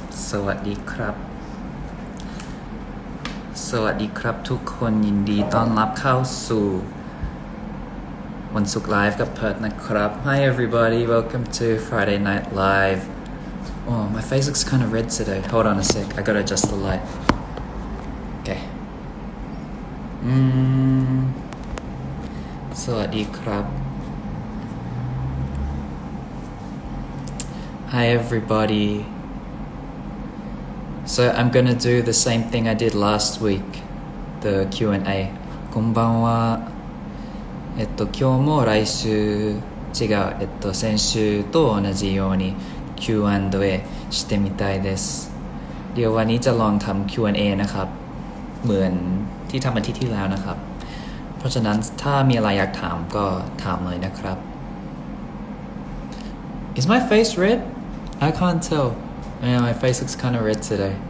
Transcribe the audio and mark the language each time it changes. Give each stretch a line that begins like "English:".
Thai: สวัสดีครับสวัสดีครับทุกคนยินดีต้อนรับเข้าสู่วันศุกร์ไลฟ์กับเพิร์ทนะครับ
English: Hi everybody, welcome to Friday Night Live. Oh, my face looks kind of red today. Hold on a sec, I gotta adjust the light. Okay.
Thai: สวัสดีครับ
English: Hi everybody. So I'm gonna do the same thing I did last week, the Q&A.
Japanese: こんばんは。今日も来週違う。先週と同じように Q&A してみたいです。
Thai: เดี๋ยววันนี้จะลองทำ Q&A นะครับ เหมือนที่ทำอาทิตย์ที่แล้วนะครับ เพราะฉะนั้นถ้ามีอะไรอยากถามก็ถามเลยนะครับ
English: Is my face red? I can't tell. Yeah, my face looks kind of red today.